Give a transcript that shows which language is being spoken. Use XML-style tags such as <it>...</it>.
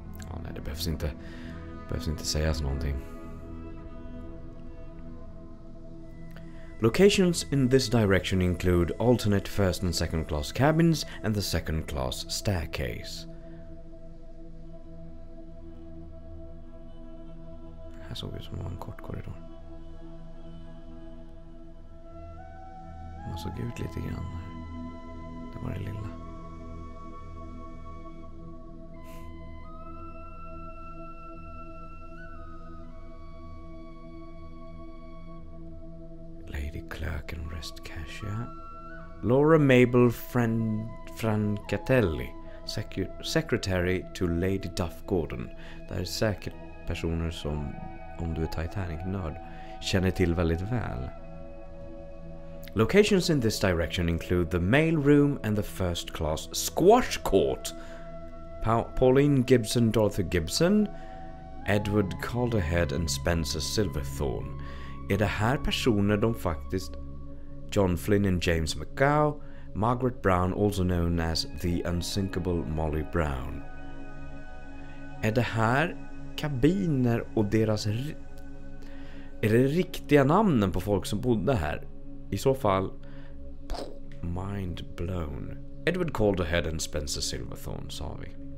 <sv>Ja, nej, det behövs inte. Behövs inte sägas någonting.</sv> <en>Locations in this direction include alternate first and second class cabins and the second class staircase.</en> <sv>Här såg vi som en kort korridor. Man såg ut lite grann. Det var det lilla.</sv> <en>Clerk and rest cashier. Laura Mabel Francatelli, secretary to Lady Duff Gordon.</en> <sv>Det är säkert personer som, om du är Titanic-nörd, känner till väldigt väl.</sv> <en>Locations in this direction include the mail room and the first class squash court. Pauline Gibson, Dorothy Gibson, Edward Calderhead and Spencer Silverthorne.</en> <sv>Är det här personer de faktiskt...</sv> <en>John Flynn and James McGow, Margaret Brown, also known as the unsinkable Molly Brown.</en> <sv>Är det här kabiner och deras... Är det riktiga namnen på folk som bodde här? I så fall...</sv> <en>Mind blown. Edward Calderhead and Spencer Silverthorne,</en> <sv>sa vi.</sv>